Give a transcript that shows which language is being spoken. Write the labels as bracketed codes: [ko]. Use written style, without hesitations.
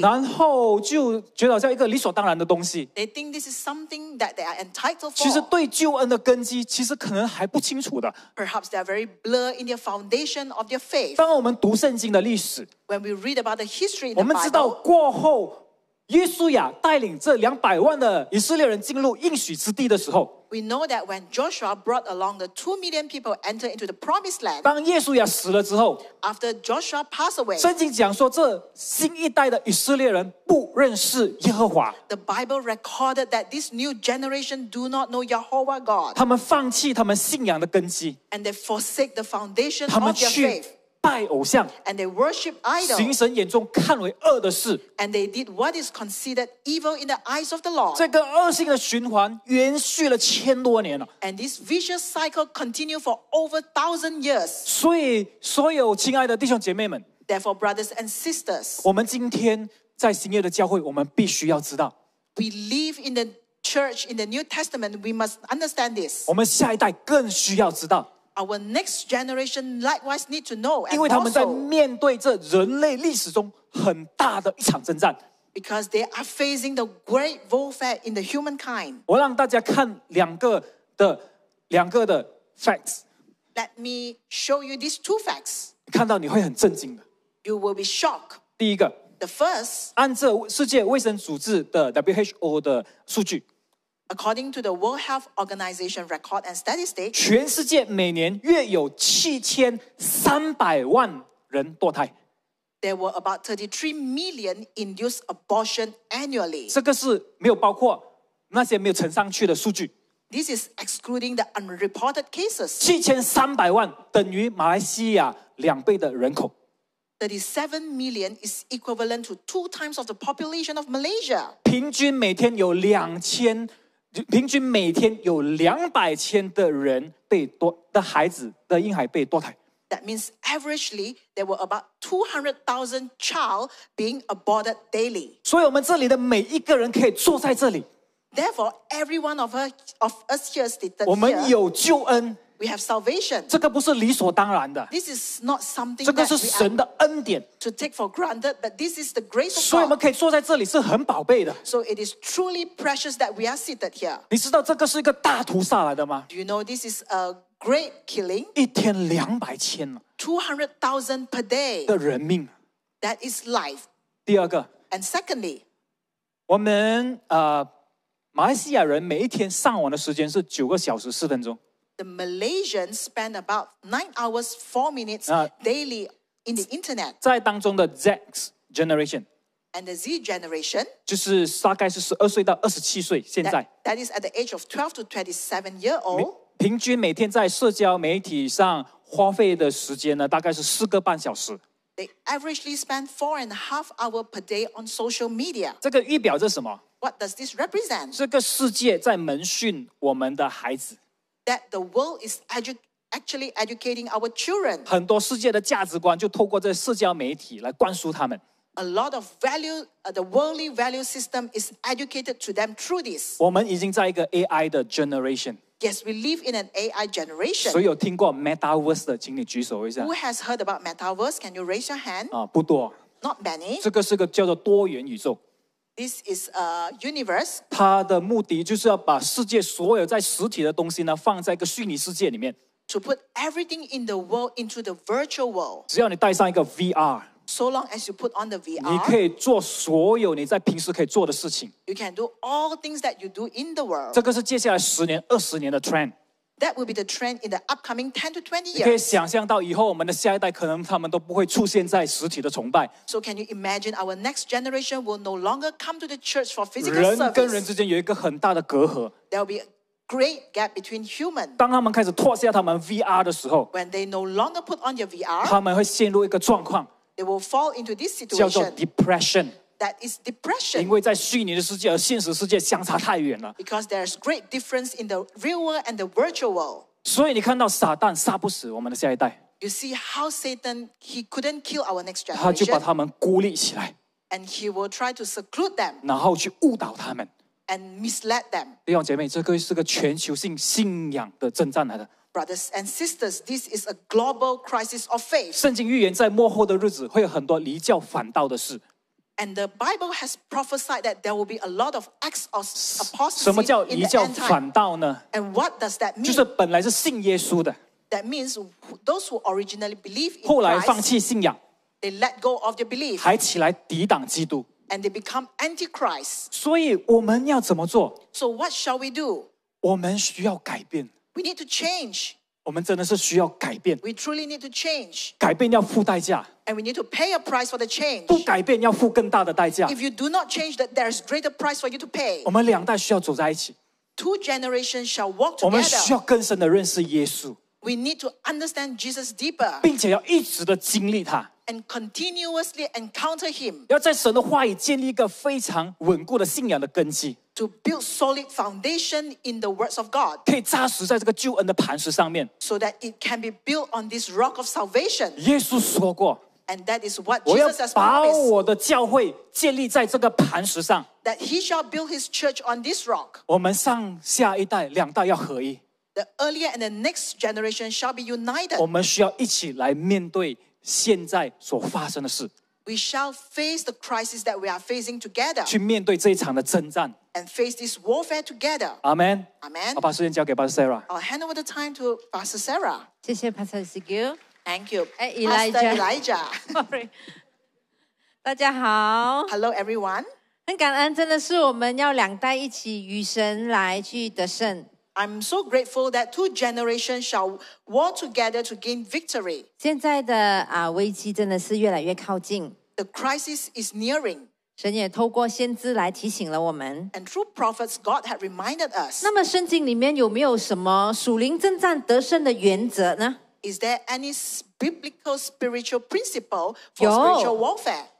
[zh] 然后就觉得好像一个理所当然的东西。 [en] They think this is something that they are entitled for. [zh] 其实对救恩的根基，其实可能还不清楚的。 [en] Perhaps they are very blur in their foundation of their faith. [zh] 当我们读圣经的历史 [en] ，When we read about the history in the [zh] Bible, 我们知道过后。耶稣亚带领这200万的以色列人进入应许之地的时候 [en] ，We know that when Joshua brought along the 2 million people enter into the promised land， [zh] 当耶稣亚死了之后 [en] ，After Joshua passed away， [zh] 圣经讲说这新一代的以色列人不认识耶和华 [en] ，The Bible recorded that this new generation do not know Yahweh God， [zh] 他们放弃他们信仰的根基 [en] ，And they forsake the foundation of their faith。 [zh] 拜偶像 [en] and they worship idols, [zh] 行神眼中看为恶的事 [en] and they did what is considered evil in the eyes of the Lord. [zh] 这个恶性的循环延续了千多年了 [en] and this vicious cycle continued for over 1,000 years. [zh] 所以所有亲爱的弟兄姐妹们 [en] therefore brothers and sisters, [zh] 我们今天在新约的教会我们必须要知道 [en] we live in the church in the New Testament, we must understand this. [zh] 我们下一代更需要知道 [en] Our next generation likewise need to know. [zh] 因为他们在面对这人类历史中很大的一场征战。 [en] Because they are facing the great warfare in the humankind. [zh] 我让大家看两个的 facts. [en] Let me show you these two facts. [zh] 看到你会很震惊的。 [en] You will be shocked. [zh] 第一个。 [en] The first. [zh] 按照世界卫生组织的 WHO 的数据。 [en] According to the World Health Organization record and statistics, [zh] 全世界每年约有7300万人堕胎。 [en] There were about 33 million induced abortion annually. [zh] 这个是没有包括那些没有呈上去的数据。 [en] This is excluding the unreported cases. [zh] 7300万等于马来西亚两倍的人口。 [en] 37 million is equivalent to 2 times of the population of Malaysia. [zh] 平均每天有200,000的人被堕的孩子的婴孩被堕胎。 [en] That means averagely there were about 200,000 child being aborted daily. [zh] 所以我们这里的每一个人可以坐在这里。 [en] Therefore, every one of us here sitting here. [zh] 我们有救恩。 [en] We have salvation. [zh] 这个不是理所当然的。 [en] This is not something. [zh] 这个是神的恩典。 [en] To take for granted, but this is the grace of God. [zh] 所以我们可以坐在这里是很宝贝的。 [en] So it is truly precious that we are seated here. [zh] 你知道这个是一个大屠杀来的吗 [en] ？Do you know this is a great killing? [zh] 一天200,000了。 [en] 200,000 per day. [zh] 的人命。 [en] That is life. [zh] 第二个。 [en] And secondly, [zh] 我们马来西亚人每一天上网的时间是9小时4分钟。 [en] The Malaysians spend about 9 hours 4 minutes daily in the internet. [zh] 在当中的 Z generation, [en] and the Z generation, [zh] 就是大概是12岁到27岁。现在 [en] that is at the age of 12 to 27 years old. [zh] 平均每天在社交媒体上花费的时间呢，大概是4.5小时。 [en] They averagely spend 4.5 hours per day on social media. [zh] 这个预表着什么 [en] ？What does this represent? [zh] 这个世界在门训我们的孩子。 [en] That the world is actually educating our children. [zh] 很多世界的价值观就透过这社交媒体来灌输他们。 [en] A lot of value, the worldly value system is educated to them through this. [zh] 我们已经在一个 AI 的 generation. [en] Yes, we live in an AI generation. [zh] 所以有听过 Metaverse 的，请你举手一下。 [en] Who has heard about Metaverse? Can you raise your hand? [zh] 不多。 [en] Not many. [zh] 这个是个叫做多元宇宙。 [en] This is a universe. [zh] 它的目的就是要把世界所有在实体的东西呢放在一个虚拟世界里面。 [en] To put everything in the world into the virtual world. [zh] 只要你戴上一个 VR. [en] So long as you put on the VR. [zh] 你可以做所有你在平时可以做的事情。 [en] You can do all things that you do in the world. [zh] 这个是接下来10年、20年的 trend. [en] That will be the trend in the upcoming 10 to 20 years. [zh] 你可以想象到以后我们的下一代可能他们都不会出现在实体的崇拜。 [en] So can you imagine our next generation will no longer come to the church for physical service? [zh] 人跟人之间有一个很大的隔阂。 [en] There will be a great gap between humans. [zh] 当他们开始脱下他们 VR 的时候 [en] ，When they no longer put on your VR, [zh] 他们会陷入一个状况。 [en] They will fall into this situation. [zh] 叫做 depression. [en] That is depression. [zh] 因为在虚拟的世界和现实世界相差太远了。 [en] Because there's great difference in the real world and the virtual world. [zh] 所以你看到撒旦杀不死我们的下一代。 [en] You see how Satan he couldn't kill our next generation. [zh] 他就把他们孤立起来。 [en] And he will try to seclude them. [zh] 然后去误导他们。 [en] And mislead them. [zh] 弟兄姐妹，这个是个全球性信仰的征战来的。 [en] Brothers and sisters, this is a global crisis of faith. [zh] 圣经预言在末后的日子会有很多离教反道的事。 [en] And the Bible has prophesied that there will be a lot of acts of apostasy. [zh] 什么叫离教反道呢 [en] ？And what does that mean? [zh] 就是本来是信耶稣的。 [en] That means those who originally believed in [zh] Christ. 后来放弃信仰。 [en] They let go of their belief. [zh] 还起来抵挡基督。 [en] And they become antichrist. [zh] 所以我们要怎么做 [en] ？So what shall we do? [zh] 我们需要改变。 [en] We need to change. [zh] 我们真的是需要改变。 [en] We truly need to change. [zh] 改变要付代价。 [en] And we need to pay a price for the change. [zh] 不改变要付更大的代价。 [en] If you do not change, that there is greater price for you to pay. [zh] 我们两代需要走在一起。 [en] Two generations shall walk together. [zh] 我们需要更深的认识耶稣。 [en] We need to understand Jesus deeper. [zh] 并且要一直的经历他。 [en] And continuously encounter him. [zh] 要在神的话语建立一个非常稳固的信仰的根基。 [en] To build solid foundation in the words of God. [zh] 可以扎实在这个救恩的磐石上面。 [en] So that it can be built on this rock of salvation. [zh] 耶稣说过。 [en] And that is what Jesus has promised. [zh] 我要把我的教会建立在这个磐石上。 [en] That he shall build his church on this rock. [zh] 我们上下一代两代要合一。 [en] The earlier and the next generation shall be united. [zh] 我们需要一起来面对现在所发生的事。 [en] We shall face the crisis that we are facing together. [zh] 去面对这一场的征战。 [en] And face this warfare together. Amen. Amen. [zh] 我把时间交给 Pastor Sarah. [en] I'll hand over the time to Pastor Sarah. [zh] 谢谢 Pastor Sigil. [en] Thank you, Elijah. Sorry. [zh] 大家好。 [en] Hello, everyone. [zh] 很感恩，真的是我们要两代一起与神来去得胜。 [en] I'm so grateful that two generations shall walk together to gain victory. [zh] 现在的危机真的是越来越靠近。 [en] The crisis is nearing. [zh] 神也透过先知来提醒了我们。 [en] And through prophets, God had reminded us. [zh] 那么圣经里面有没有什么属灵征战得胜的原则呢？ [en] Is there any biblical spiritual principle for spiritual warfare?